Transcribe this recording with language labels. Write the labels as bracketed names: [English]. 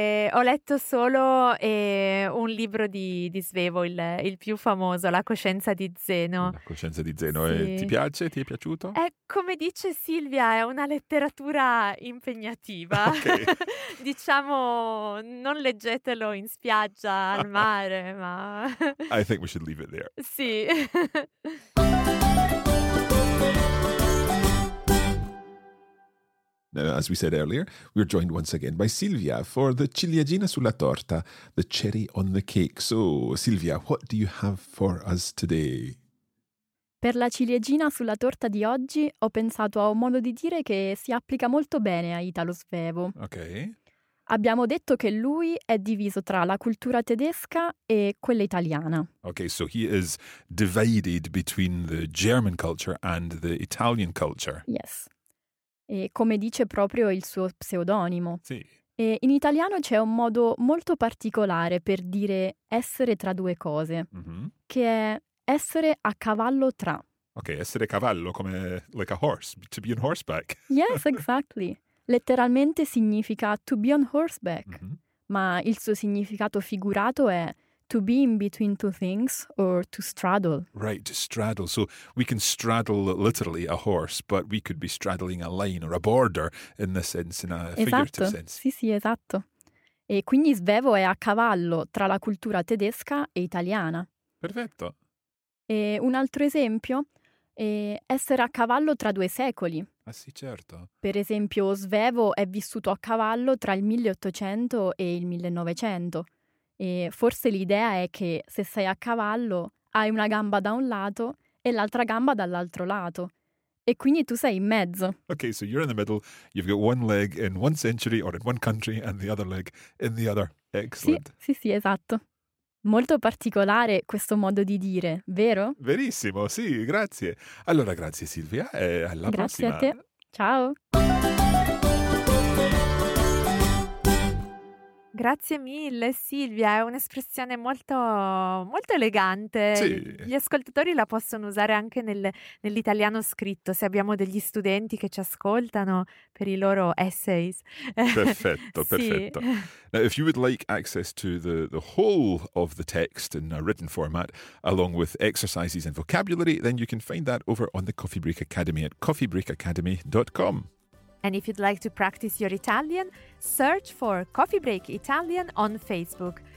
[Italian] Ho letto solo un libro di Svevo, il più famoso, La coscienza di Zeno. La coscienza di Zeno, sì. Ti piace? Ti è piaciuto? Come dice Silvia, è una letteratura impegnativa. [English] Okay. [Italian] Diciamo, non leggetelo in spiaggia, al mare, ma... [English] I think we should leave it there. [Italian] Sì. [English] Now, as we said earlier, we're joined once again by Silvia for the [Italian] ciliegina sulla torta, [English] the cherry on the cake. So, Silvia, what do you have for us today? [Italian] Per la ciliegina sulla torta di oggi ho pensato a un modo di dire che si applica molto bene a Italo Svevo. Ok. Abbiamo detto che lui è diviso tra la cultura tedesca e quella italiana. [English] Ok, so he is divided between the German culture and the Italian culture. Yes. [Italian] E come dice proprio il suo pseudonimo. Sì. E in italiano c'è un modo molto particolare per dire essere tra due cose, che è essere a cavallo tra. [English] Ok, [Italian] essere cavallo [English] come like a horse, to be on horseback. Yes, exactly. [Italian] Letteralmente significa [English] to be on horseback, [Italian] ma il suo significato figurato è [English] to be in between two things or to straddle. Right, to straddle. So we can straddle literally a horse, but we could be straddling a line or a border in this sense, in a figurative [Italian] esatto. [English] sense. [Italian] Sì, sì, esatto. E quindi Svevo è a cavallo tra la cultura tedesca e italiana. Perfetto. E un altro esempio? Essere a cavallo tra due secoli. Ah sì, certo. Per esempio, Svevo è vissuto a cavallo tra il 1800 e il 1900. E forse l'idea è che se sei a cavallo hai una gamba da un lato e l'altra gamba dall'altro lato. E quindi tu sei in mezzo. [English] Okay, so you're in the middle, you've got one leg in one century or in one country and the other leg in the other. Excellent. [Italian] Sì, sì, sì, esatto. Molto particolare questo modo di dire, vero? Verissimo, sì, grazie. Allora grazie Silvia e alla grazie prossima. Grazie a te, ciao. Grazie mille Silvia, è un'espressione molto, molto elegante. Sì. Gli ascoltatori la possono usare anche nell'italiano scritto, se abbiamo degli studenti che ci ascoltano per i loro essays. Perfetto, sì. Perfetto. [English] Now, if you would like access to the whole of the text in a written format, along with exercises and vocabulary, then you can find that over on the Coffee Break Academy at coffeebreakacademy.com. And if you'd like to practice your Italian, search for Coffee Break Italian on Facebook.